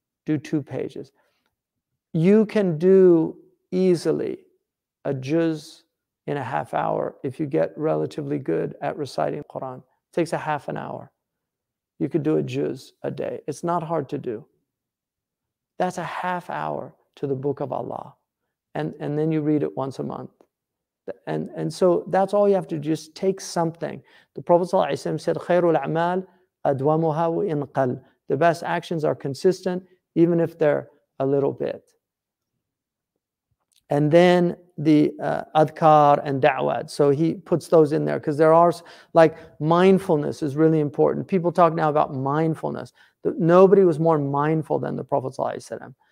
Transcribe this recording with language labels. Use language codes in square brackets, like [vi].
[en] Do 2 pages. You can do easily a juz in a half hour if you get relatively good at reciting Quran. It takes a half an hour. You could do a juz a day. It's not hard to do. That's a half hour to the book of Allah. And then you read it once a month. And so that's all you have to do. Just take something. [ar] The Prophet ﷺ said, خَيْرُ الْعَمَالِ أَدْوَمُهَا وَإِنْقَلْ. [en] The best actions are consistent, even if they're a little bit. And then the adhkar and da'wat. So he puts those in there, because there are, like, mindfulness is really important. People talk now about mindfulness. Nobody was more mindful than the Prophet ﷺ.